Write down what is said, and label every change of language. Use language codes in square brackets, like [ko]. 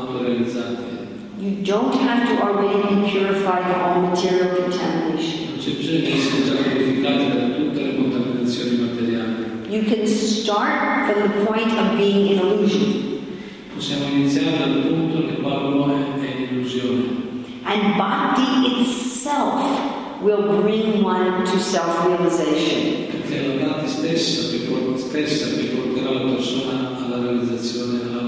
[en] You don't have to already be purified of all material contamination. You can start from the point of being an illusion. [it] Possiamo iniziare dal punto nel quale è illusione. [en] And bhakti itself will bring one to self-realization. [it] Perché la bhakti stessa che porterà la persona alla realizzazione.